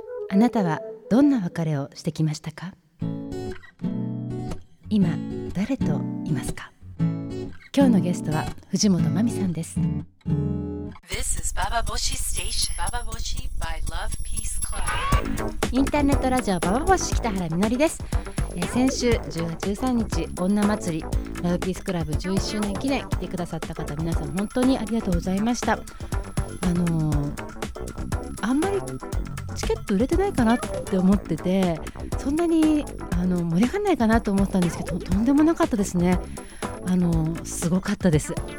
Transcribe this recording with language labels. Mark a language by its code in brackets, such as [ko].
[ja] あなたはどんな別れをしてきましたか？今誰といますか？今日のゲストは藤本真美さんです。 [en] This is Baba Boshi Station. Baba Boshi by Love Peace Club. [ja] インターネットラジオババボシ北原みのりです。先週10月13日女祭りラブピースクラブ11周年記念来てくださった方、皆さん本当にありがとうございました。あんまりチケット売れてないかなって思ってて、そんなに盛り上がらないかなと思ったんですけど、とんでもなかったですね。すごかったです。